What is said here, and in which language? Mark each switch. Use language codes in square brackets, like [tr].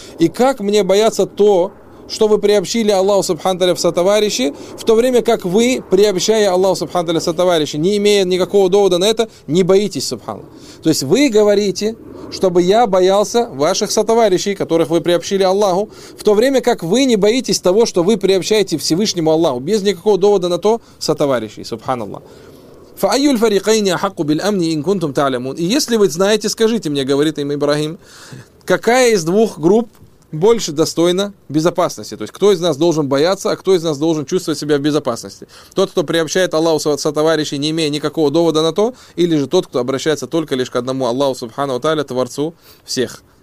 [ru] И как мне бояться то, что вы приобщили Аллаху Субханта в сотоварищи, в то время как вы, приобщая Аллаху Субханта в сотоварищи, не имея никакого довода на это, не боитесь Субхана. То есть вы говорите, чтобы я боялся ваших сотоварищей, которых вы приобщили Аллаху, в то время как вы не боитесь того, что вы приобщаете Всевышнему Аллаху, без никакого довода на то, сотоварищей, Субханаллах. [ar] فأي الفريقين أحق بالأمن إن كنتم تعلمون. [ru] И если вы знаете, скажите мне, говорит им Ибрахим, какая из двух групп больше достойна безопасности. То есть, кто из нас должен бояться, а кто из нас должен чувствовать себя в безопасности? Тот, кто приобщает Аллаху сотоварищей, не имея никакого довода на то, или же тот, кто обращается только лишь к одному Аллаху Субхану Тааля, Творцу всех.